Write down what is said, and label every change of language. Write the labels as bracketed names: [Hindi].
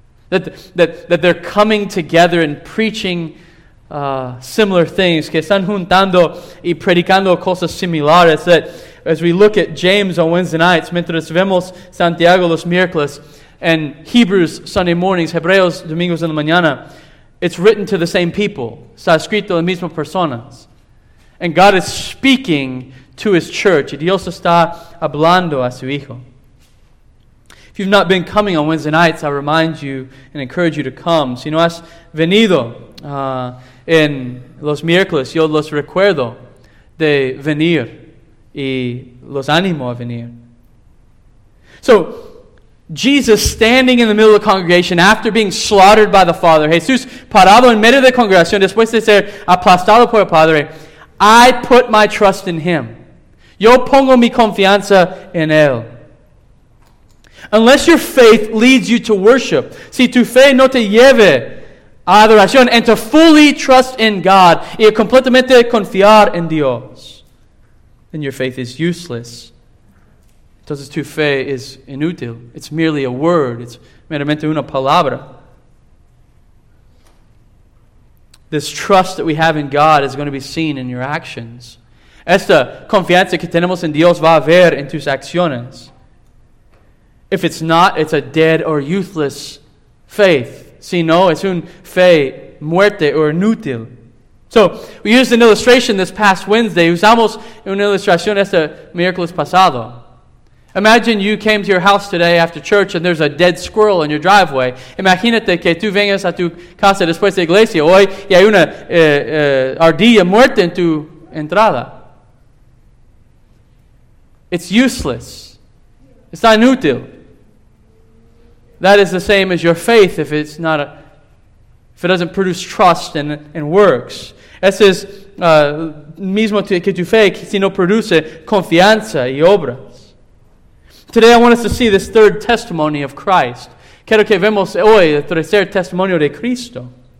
[English] That they're coming together and preaching similar things. [Spanish] Que están juntando y predicando cosas similares. [English] That as we look at James on Wednesday nights, [Spanish] mientras vemos Santiago los miércoles, [English] and Hebrews Sunday mornings, [Spanish] Hebreos domingos en la mañana, [English] it's written to the same people. [Spanish] Está escrito a las mismas personas. [English] And God is speaking to His church. [Spanish] Y Dios está hablando a su Hijo. [English] If you've not been coming on Wednesday nights, I remind you and encourage you to come. [Spanish] Si no has venido en los miércoles, yo los recuerdo de venir y los animo a venir. [English] So, Jesus standing in the middle of the congregation after being slaughtered by the Father. [Spanish] Jesús parado en medio de la congregación después de ser aplastado por el Padre. [English] I put my trust in Him. [Spanish] Yo pongo mi confianza en Él. [English] Unless your faith leads you to worship, [Spanish] si tu fe no te lleve a adoración, [English] and to fully trust in God, [Spanish] y completamente confiar en Dios, [English] then your faith is useless. [Spanish] Entonces tu fe es inútil. [English] It's merely a word. [Spanish] It's meramente una palabra. [English] This trust that we have in God is going to be seen in your actions. [Spanish] Esta confianza que tenemos en Dios va a ver en tus acciones. [English] If it's not, it's a dead or useless faith. [Spanish] Si no, es un fe muerte o inútil. [English] So, we used an illustration this past Wednesday. [Spanish] Usamos una ilustración este miércoles pasado. [English] Imagine you came to your house today after church and there's a dead squirrel in your driveway. [Spanish] Imagínate que tú vengas a tu casa después de iglesia hoy y hay una ardilla muerta en tu entrada. [English] It's useless. It's not [Spanish] inútil. [English] That is the same as your faith if it's not if it doesn't produce trust and works. [Spanish] Ese es mismo que tu fe, que si no produce confianza y obras. [English] Today I want us to see this third testimony of Christ. [Spanish] Quiero que vemos hoy el tercer testimonio de Cristo.